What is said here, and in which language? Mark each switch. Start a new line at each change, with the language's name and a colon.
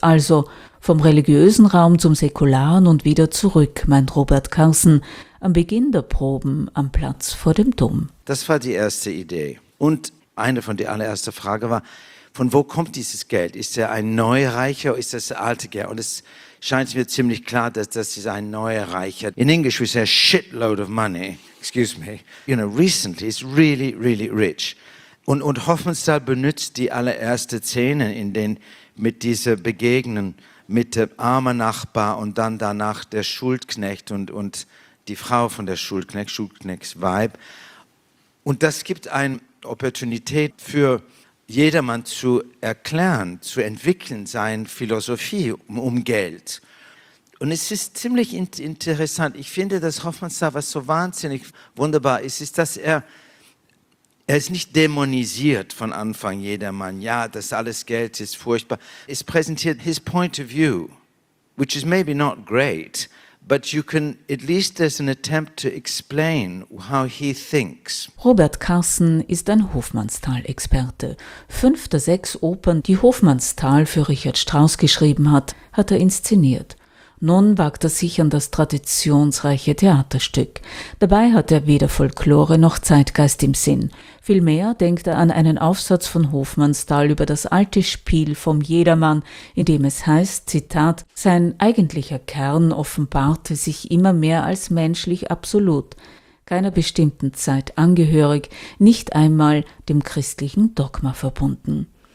German: Also vom religiösen Raum zum säkularen und wieder zurück, meint Robert Carson, am Beginn der Proben am Platz vor dem Dom. Das war die erste Idee. Und eine von der allerersten Frage war, von wo kommt dieses Geld? Ist er ein Neureicher oder ist das alte Geld? Und es scheint mir ziemlich klar, dass das ist ein Neureicher.
English: In English we say a shitload of money. Excuse me. You know, recently it's really, really rich.
German: Und Hoffmannsthal benutzt die allererste Szene in den mit dieser Begegnen mit dem armen Nachbar und dann danach der Schuldknecht und die Frau von der Schuldknecht, Schuldknechts Weib. Und das gibt eine Opportunität für jedermann zu erklären, zu entwickeln seine Philosophie um Geld. Und es ist ziemlich interessant. Ich finde, dass Hoffmannsthal was so wahnsinnig wunderbar ist, ist, dass er ist nicht dämonisiert von Anfang jedermann. Ja, das alles Geld ist furchtbar. Es präsentiert
English: his point of view, which is maybe not great, but you can at least there's an attempt to explain how he thinks.
German: Robert Carson ist ein Hoffmannsthal-Experte. 5 der 6 Opern, die Hoffmannsthal für Richard Strauss geschrieben hat, hat er inszeniert. Nun wagt er sich an das traditionsreiche Theaterstück. Dabei hat er weder Folklore noch Zeitgeist im Sinn. Vielmehr denkt er an einen Aufsatz von Hoffmannsthal über das alte Spiel vom Jedermann, in dem es heißt, Zitat, sein eigentlicher Kern offenbarte sich immer mehr als menschlich absolut, keiner bestimmten Zeit angehörig, nicht einmal dem christlichen Dogma verbunden.